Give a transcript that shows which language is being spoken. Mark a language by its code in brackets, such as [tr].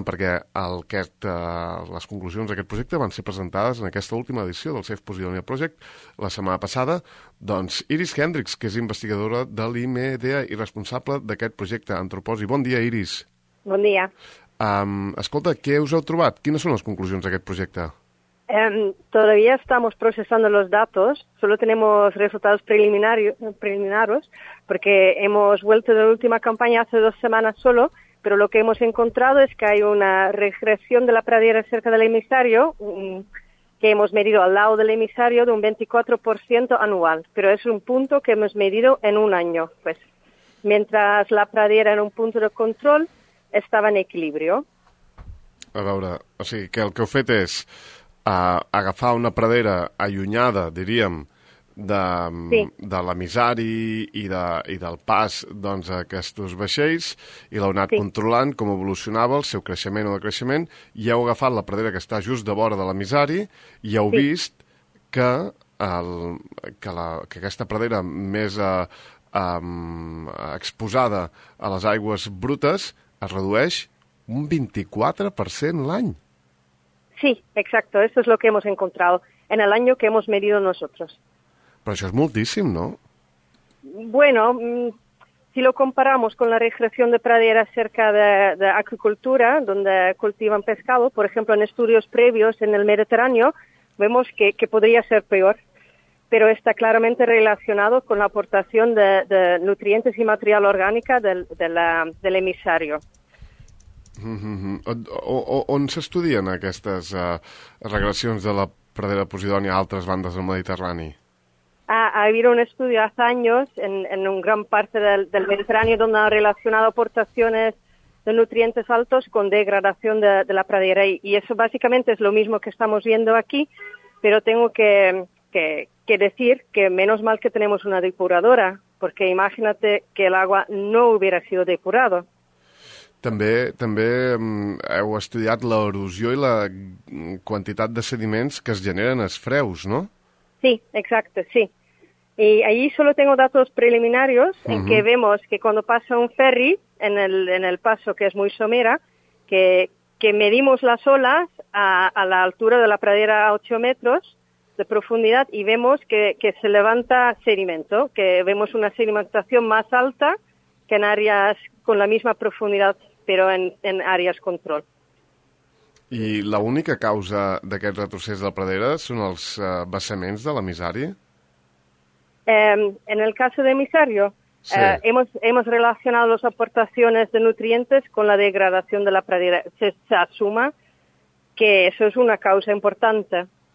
[ca] Perquè les conclusions d'aquest projecte van ser presentades en aquesta última edició del Safe Posidonia Project la setmana passada. Doncs Iris Hendricks, que és investigadora de l'IMEDEA i responsable d'aquest projecte Antroposi. Bon dia, Iris. Bon dia. Escolta, què us heu trobat? Quines són les conclusions d'aquest projecte? [es] Todavía estamos procesando los datos, solo tenemos resultados preliminares, porque hemos vuelto de la última campaña hace 2 semanas solo. Pero lo que hemos encontrado es que hay una regresión de la pradera cerca del emisario, que hemos medido al lado del emisario, de un 24% anual. Pero es un punto que hemos medido en un año. Pues, mientras la pradera era un punto de control, estaba en equilibrio. [ca] A veure, o sigui, que el que heu fet és agafar una pradera allunyada, diríem, de l'emissari i del pas, doncs, a aquests vaixells, i l'heu anat controlant com evolucionava el seu creixement o decreixement, i heu agafat la pradera que està just de vora de l'emissari i heu vist que, que aquesta pradera més exposada a les aigües brutes es redueix un 24% l'any. [es] Sí, exacto, eso es lo que hemos encontrado en el año que hemos medido nosotros. [ca] Però això és moltíssim, no? [es] Bueno, si lo comparamos con la regresión de praderas cerca de agricultura, donde cultivan pescado, por ejemplo, en estudios previos en el Mediterráneo, vemos que podría ser peor, pero está claramente relacionado con la aportación de nutrientes y material orgánica del emisario. [ca] On s'estudien aquestes regressions de la pradera Posidònia a altres bandes del Mediterrani? [es] Ha habido un estudio hace años en un gran parte del Mediterráneo donde ha relacionado aportaciones de nutrientes altos con degradación de la pradera. Y eso básicamente es lo mismo que estamos viendo aquí, pero tengo que decir que menos mal que tenemos una depuradora, porque imagínate que el agua no hubiera sido depurado. [ca] També heu estudiat l'erosió i la quantitat de sediments que es generen als freus, no? [es] Sí, exacto, sí. Y allí solo tengo datos preliminarios en que vemos que cuando pasa un ferry en el paso, que es muy somera, que medimos las olas a la altura de la pradera a 8 metros de profundidad y vemos que se levanta sedimento, que vemos una sedimentación más alta que en áreas con la misma profundidad, pero en áreas control. [ca] I la única causa d'aquest retrocés de la pradera són els vessaments de l'emissari? [es] En el caso de emissario, hemos relacionado las aportaciones de nutrientes con la degradación de la pradera. Se asuma que eso es una causa importante.